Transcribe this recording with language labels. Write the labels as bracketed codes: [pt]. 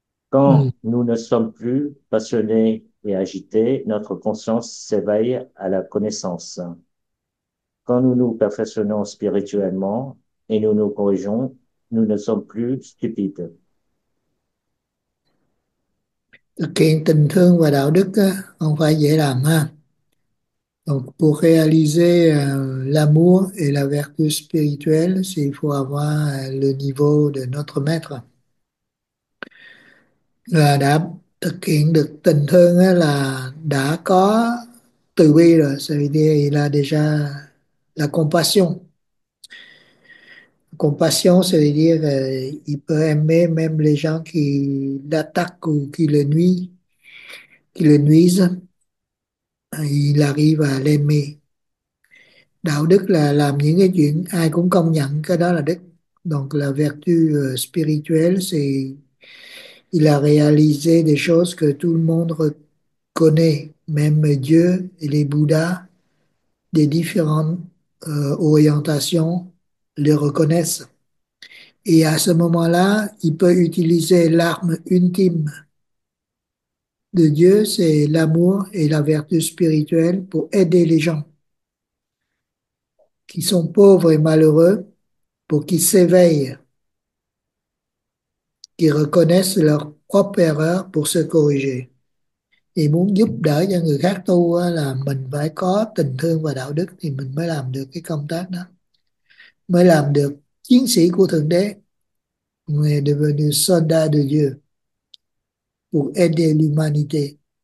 [fr] Quand nous ne sommes plus passionnés et agités, notre conscience s'éveille à la connaissance. Quand nous nous perfectionnons spirituellement et nous nous corrigeons, nous ne sommes plus stupides. [vi] Thực hiện tình thương và đạo đức không phải dễ làm ha. [fr] Donc, pour réaliser l'amour et la vertu spirituelle, il faut avoir le niveau de notre maître. [vi] Là đã thực hiện được tình thương á, là đã có từ bi rồi, [fr] c'est-à-dire là déjà la compassion. Compassion, c'est-à-dire il peut aimer même les gens qui l'attaquent ou qui le nuisent. Il arrive à l'aimer. [vi] Đạo đức là làm những cái chuyện ai cũng công nhận cái đó là đức. [fr] Donc là vertu spirituelle, c'est il a réalisé des choses que tout le monde connaît, même Dieu et les Bouddhas, des différentes orientations, les reconnaissent. Et à ce moment-là, il peut utiliser l'arme ultime de Dieu, c'est l'amour et la vertu spirituelle pour aider les gens qui sont pauvres et malheureux, pour qu'ils s'éveillent, qu'ils reconnaissent leur propre erreur pour se corriger. [vi] Et muốn giúp đỡ cho người khác tu á, là mình phải có tình thương và đạo đức thì mình mới làm được cái công tác đó. Mới làm được chiến sĩ của Thượng Đế. [fr] Người devenu soldat de Dieu. Pour aider l'humanité.